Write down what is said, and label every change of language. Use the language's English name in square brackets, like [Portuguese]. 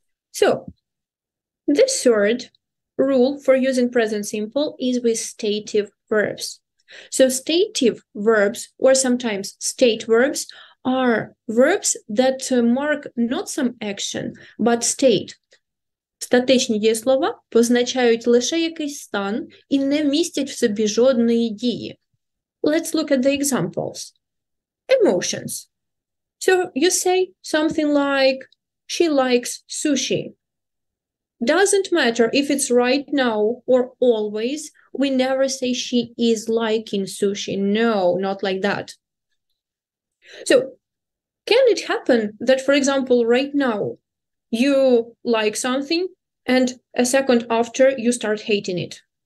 [English] So the third rule for using present simple is with stative verbs. So stative verbs, or sometimes state verbs, are verbs that mark not some action, but state. [Ukrainian] Статичні дієслова позначають лише якийсь стан і не містять в собі жодної дії. [English] Let's look at the examples. Emotions. So you say something like, she likes sushi. Doesn't matter if it's right now or always, we never say she is liking sushi. No, not like that. So, can it happen that, for example, right now, you like something and a second after you start hating it?